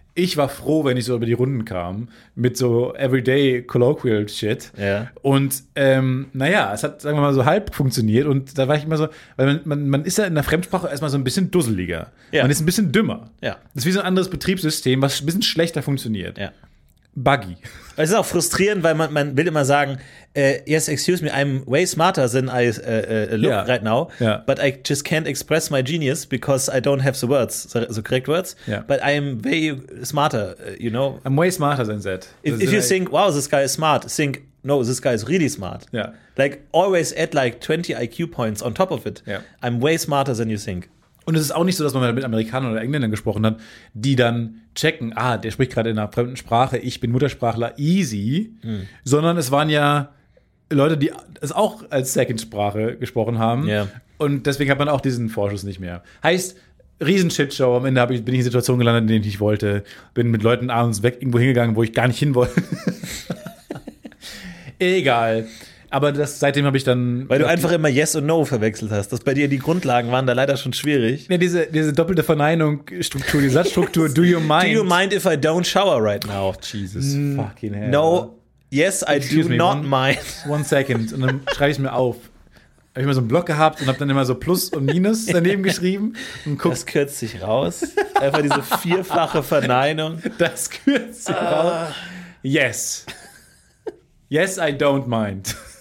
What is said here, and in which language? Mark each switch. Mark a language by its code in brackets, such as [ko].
[de] Ich war froh, wenn ich so über die Runden kam mit so [en] everyday colloquial shit. [de] Ja. Und es hat, sagen wir mal, so halb funktioniert. Und da war ich immer so, weil man ist ja in der Fremdsprache erstmal so ein bisschen dusseliger. Ja. Man ist ein bisschen dümmer. Ja. Das ist wie so ein anderes Betriebssystem, was ein bisschen schlechter funktioniert. Ja. [en] Buggy. [de] Es ist auch frustrierend, weil man will immer sagen, [en] yes, excuse me, I'm way smarter than I look right now, but I just can't express my genius because I don't have the words, the correct words, but I'm way smarter, you know. I'm way smarter than that. If you think, wow, this guy is smart, think, no, this guy is really smart. Yeah. Like, always add like 20 IQ points on top of it. Yeah. I'm way smarter than you think. [de] Und es ist auch nicht so, dass man mit Amerikanern oder Engländern gesprochen hat, die dann checken, der spricht gerade in einer fremden Sprache, ich bin Muttersprachler, easy. Hm. Sondern es waren ja Leute, die es auch als Second-Sprache gesprochen haben. [en] Yeah. [de] Und deswegen hat man auch diesen Vorschuss nicht mehr. Heißt, Riesen-Shit-Show, am Ende bin ich in Situationen gelandet, in denen ich nicht wollte. Bin mit Leuten abends weg irgendwo hingegangen, wo ich gar nicht hin wollte. Egal. Aber das, seitdem habe ich dann. Weil du einfach immer Yes und No verwechselt hast. Das bei dir, die Grundlagen waren da leider schon schwierig. Ja, diese doppelte Verneinung-Struktur, die Satzstruktur. [en] Yes. Do you mind? Do you mind if I don't shower right now? Oh, Jesus. Fucking hell. No. Yes, I Excuse do me, not one, mind. One second. [de] Und dann schreibe ich mir auf. Habe ich immer so einen Block gehabt und habe dann immer so Plus und Minus daneben geschrieben. Und guck. Das kürzt sich raus. Einfach diese vierfache Verneinung. Das kürzt sich raus. [en] Yes. Yes, I don't mind.